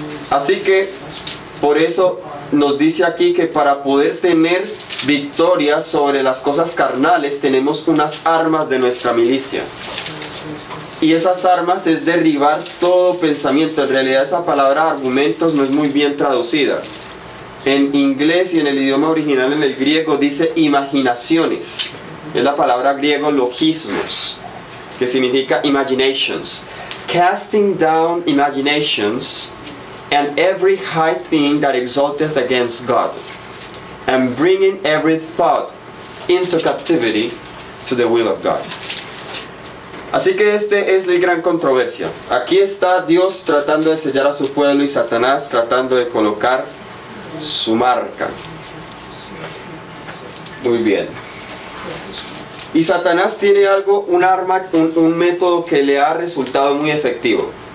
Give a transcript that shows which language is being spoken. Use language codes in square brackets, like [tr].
[es] Así que, por eso nos dice aquí que para poder tener victoria sobre las cosas carnales, tenemos unas armas de nuestra milicia. Y esas armas es derribar todo pensamiento. En realidad esa palabra argumentos no es muy bien traducida. En inglés y en el idioma original, en el griego, dice imaginaciones. Es la palabra griego logismos, que significa imaginations. [en] Casting down imaginations and every high thing that exalteth against God, and bringing every thought into captivity to the will of God. [es] Así que este es la gran controversia. Aquí está Dios tratando de sellar a su pueblo y Satanás tratando de colocar su marca. Muy bien. Y Satanás tiene algo, un arma, un método que le ha resultado muy efectivo.